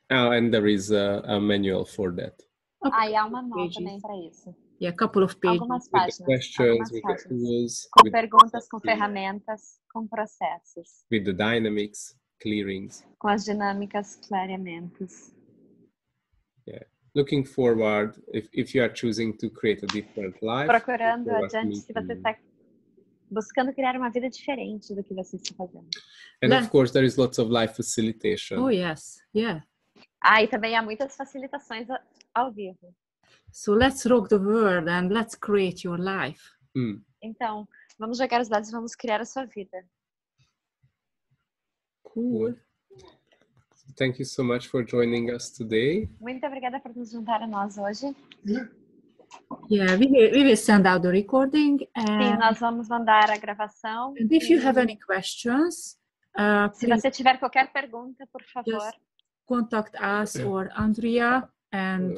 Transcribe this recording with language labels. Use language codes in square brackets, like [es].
[en] Oh, and there is a manual for that. Okay. [pt] Ah, e há uma nota também para isso. [en] Yeah, a couple of pages. [pt] Algumas páginas. [en] With questions, with tools. [pt] Com perguntas, com ferramentas, com processos. [en] With the dynamics, clearings. [pt] Com as dinâmicas, clareamentos. [en] Looking forward, if you are choosing to create a different life. [pt] Procurando adiante, se você está buscando criar uma vida diferente do que você está fazendo. [en] And of course, there is lots of life facilitation. Oh, yes. Yeah. [pt] Ah, e também há muitas facilitações ao vivo. [en] So let's rock the world and let's create your life. [pt] Então, vamos jogar os dados e vamos criar a sua vida. [en] Cool. Thank you so much for joining us today. [pt] Muito obrigada por nos juntar a nós hoje. [en] Yeah, we will send out the recording. [pt] Sim, nós vamos mandar a gravação. [en] And if you have any questions, [pt] se você tiver qualquer pergunta, por favor, [en] contact us or Andrea. And